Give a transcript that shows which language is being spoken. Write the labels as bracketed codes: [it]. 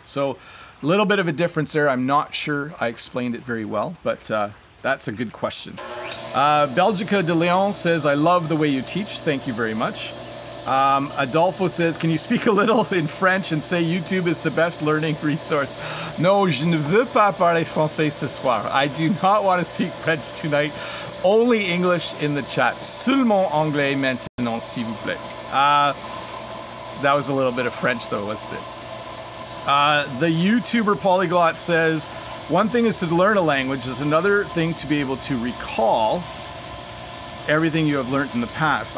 [en] So a little bit of a difference there. I'm not sure I explained it very well, but that's a good question. Belgica de Leon says, I love the way you teach. Thank you very much. Adolfo says, can you speak a little in French and say YouTube is the best learning resource? [fr] No, je ne veux pas parler français ce soir. [en] I do not want to speak French tonight. Only English in the chat. [fr] Seulement anglais maintenant, s'il vous plaît. [en] That was a little bit of French though, wasn't it? The YouTuber Polyglot says, one thing is to learn a language, is another thing to be able to recall everything you have learned in the past.